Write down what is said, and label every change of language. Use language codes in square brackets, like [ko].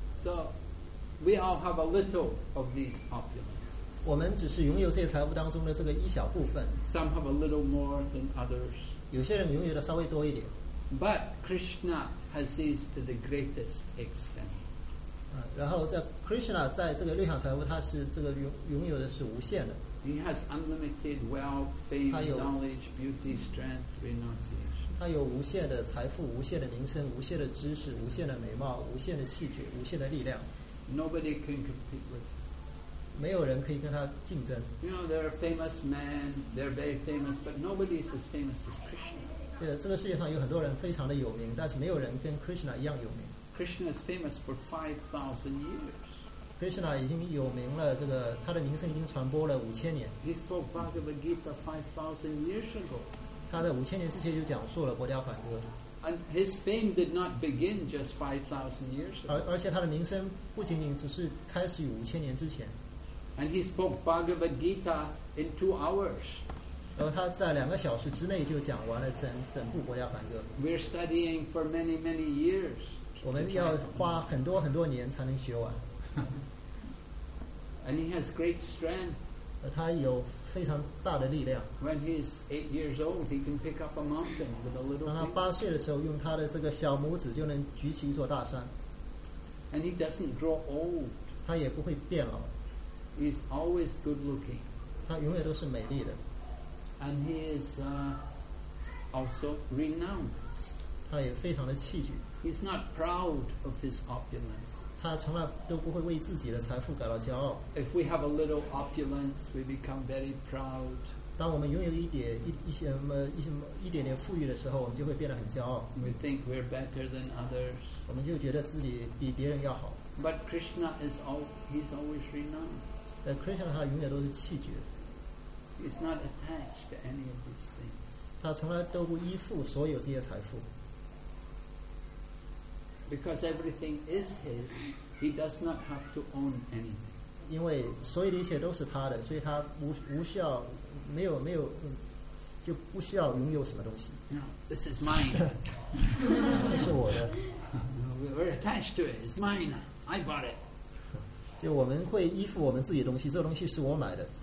[en] so we all have a little of these opulences [zh] 我们只是拥有这些财富当中的这个一小部分 [en] Some have a little more than others. [zh] 有些人拥有的稍微多一点 [en] But Krishna has these to the greatest extent. [zh] 然后在 Krishna 在这个六项财富他是这个拥有的是无限的 [en] He has unlimited wealth, fame, knowledge, beauty, strength, renunciation. [zh] 他有无限的财富无限的名声无限的知识无限的美貌无限的气绝无限的力量 [en] Nobody can compete with him. [zh] 没有人可以跟他竞争。 [en] You know, there are famous men, they're very famous, but nobody is as famous as Krishna. [zh] 对，这个世界上有很多人非常的有名，但是没有人跟 Krishna 一样有名。 [en] Krishna is famous for 5,000 years. [zh] Krishna 已经有名了，这个他的名声已经传播了五千年。 [en] He spoke Bhagavad Gita 5,000 years ago. [zh] 他在五千年之前就讲述了《Bhojja Fan》歌。 [en] And his fame did not begin just 5,000 years ago. [zh] 而且他的名声不仅仅只是开始于五千年之前。 [en] And he spoke Bhagavad Gita in 2 hours. [zh] 然后他在两个小时之内就讲完了整部《国家梵歌》。 [en] We're studying for many, many years. [zh] 我们要花很多很多年才能学完。 [en] And he has great strength. [zh] 他有非常大的力量。 [en] When he's 8 years old, he can pick up a mountain with a little. [zh] 当他八岁的时候，用他的这个小拇指就能举起一座大山。 [en] And he doesn't grow old. [zh] 他也不会变老。 [en] He's always good looking. [zh] 他永远都是美丽的。 [en] And he is also renounced. [zh] 他也非常的气绝。 [en] He's not proud of his opulence. [zh] 他从来都不会为自己的财富感到骄傲。 [en] If we have a little opulence, we become very proud. [zh] 当我们拥有一点一些什么一些一点点富裕的时候，我们就会变得很骄傲。 [en] We think we're better than others. [zh] 我们就觉得自己比别人要好。 [en] But Krishna is all, he's always renounced. [zh] Krishna 他永远都是弃绝。 [en] He's not attached to any of these things. [zh] 他从来都不依附所有这些财富。 [en] Because everything is his, he does not have to own anything. [zh] 因为所有的一切都是他的，所以他 无需要。没有没有，就不需要拥有什么东西。 [en] No, this is mine. [zh] 这是我的。 [en] We're attached to it. It's mine. I bought it. [zh] 就我们会依附我们自己的东西，这个东西是我买的。